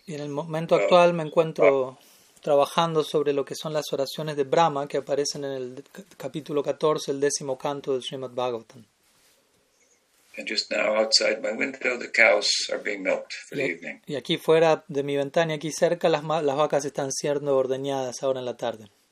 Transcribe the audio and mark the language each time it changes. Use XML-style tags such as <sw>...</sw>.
<es>Y en el momento actual me encuentro trabajando sobre lo que son las oraciones de Brahma que aparecen en el capítulo 14, el décimo canto del Srimad Bhagavatam.</es> <en>And just now outside my window the cows are being milked for the evening.</en> <es>Y aquí fuera de mi ventana y aquí cerca las vacas están siendo ordeñadas ahora en la tarde.</es>